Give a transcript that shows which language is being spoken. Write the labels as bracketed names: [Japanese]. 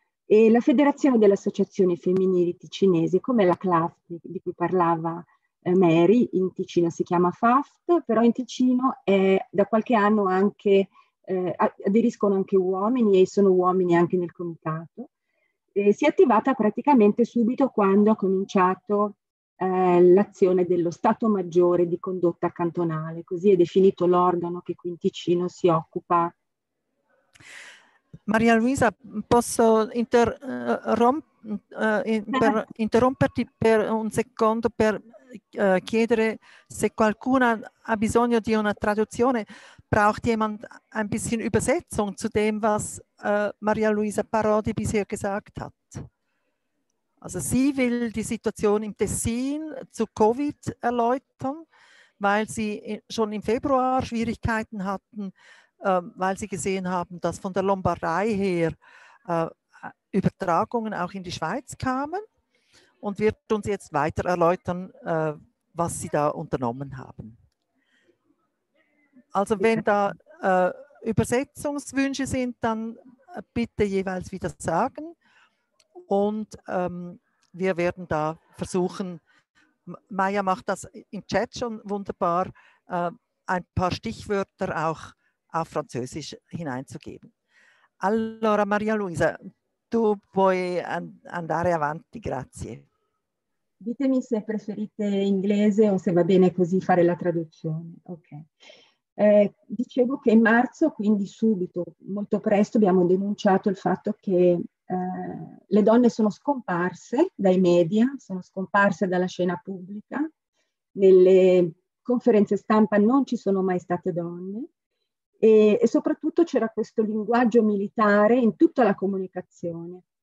[Italian] E la Federazione delle Associazioni Femminili Ticinesi, come la CLAFT di cui parlava Mary, in Ticino si chiama FAFT, però in Ticino è da qualche anno anche aderiscono anche uomini e sono uomini anche nel comitato, si è attivata praticamente subito quando ha cominciato l'azione dello Stato Maggiore di condotta cantonale, così è definito l'organo che qui in Ticino si occupa. Maria Luisa, posso interromperti per un secondo per chiedere se qualcuno ha bisogno di una traduzione? [German] Braucht jemand ein bisschen Übersetzung zu dem, was Maria Luisa Parodi bisher gesagt hat? Also sie will die Situation im Tessin zu Covid erläutern, weil sie schon im Februar Schwierigkeiten hatten, weil sie gesehen haben, dass von der Lombardei her Übertragungen auch in die Schweiz kamen und wird uns jetzt weiter erläutern, was sie da unternommen haben. Also wenn da Übersetzungswünsche sind, dann bitte jeweils wieder sagen und wir werden da versuchen, Maya macht das im Chat schon wunderbar, ein paar Stichwörter auch auf Französisch hineinzugeben. [Italian] Allora Maria Luisa, tu puoi andare avanti, grazie. Ditemi se preferite inglese o se va bene così fare la traduzione. Ok. Dicevo che in marzo, quindi subito, molto presto, abbiamo denunciato il fatto che le donne sono scomparse dai media, sono scomparse dalla scena pubblica, nelle conferenze stampa non ci sono mai state donne e soprattutto c'era questo linguaggio militare in tutta la comunicazione.